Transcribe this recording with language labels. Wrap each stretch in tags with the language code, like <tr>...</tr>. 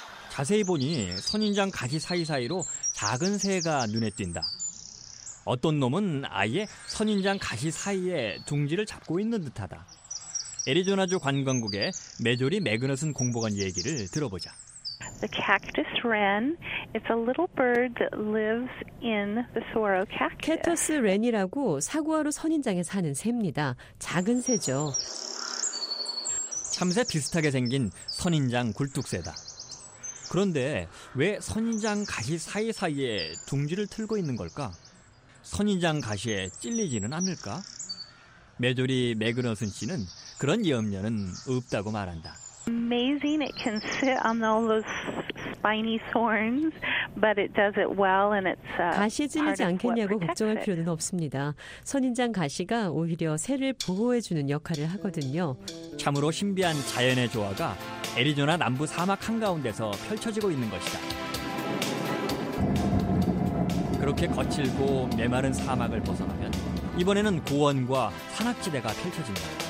<ko>자세히 보니 선인장 가지 사이사이로 작은 새가 눈에 띈다. 어떤 놈은 아예 선인장 가시 사이에 둥지를 잡고 있는 듯하다. 애리조나주 관광국의 메조리 매그너슨 공보관 얘기를 들어보자.</ko> <en>The cactus wren, it's a little bird that lives in the saguaro cactus.</en> <ko>캐터스 렌이라고 사과로 선인장에 사는 새입니다. 작은 새죠. 참새 비슷하게 생긴 선인장 굴뚝새다. 그런데 왜 선인장 가시 사이사이에 둥지를 틀고 있는 걸까? 선인장 가시에 찔리지는 않을까? 메조리 매그너슨 씨는 그런 염려는 없다고 말한다.</ko> <en>Amazing, it can sit on all those spiny thorns, but it does it well, and it's.</en> <ko>가시에 찔리지 않겠냐고 걱정할 필요는 없습니다. 선인장 가시가 오히려 새를 보호해 주는 역할을 하거든요. 참으로 신비한 자연의 조화가 애리조나 남부 사막 한 가운데서 펼쳐지고 있는 것이다. 그렇게 거칠고 메마른 사막을 벗어나면 이번에는 고원과 산악지대가 펼쳐진다.</ko>